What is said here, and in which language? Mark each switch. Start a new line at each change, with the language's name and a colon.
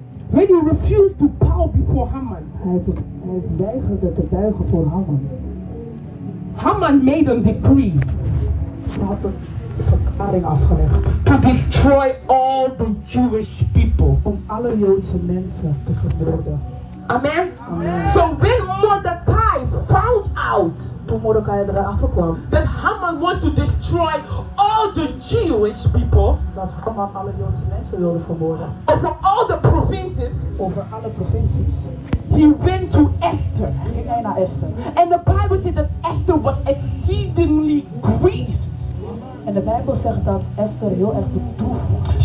English: When he refused to bow before Haman.
Dutch: Hij weigerde te buigen voor Haman.
English: Haman made a decree.
Dutch: Verklaring afgelegd.
English: To destroy all the Jewish people.
Dutch: Om alle Joodse mensen te vermoorden. Amen. Amen.
English: So when Mordecai found out.
Dutch: Toen Mordecai erachter kwam.
English: That Haman wants to destroy all the Jewish people.
Dutch: Dat Haman alle Joodse mensen wilde vermoorden.
English: Over all the provinces.
Dutch: Over alle provincies.
English: He went to Esther.
Dutch: Ging hij naar Esther.
English: And the Bible says that Esther was exceedingly grieved.
Dutch: En de Bijbel zegt dat Esther heel erg bedroefd was.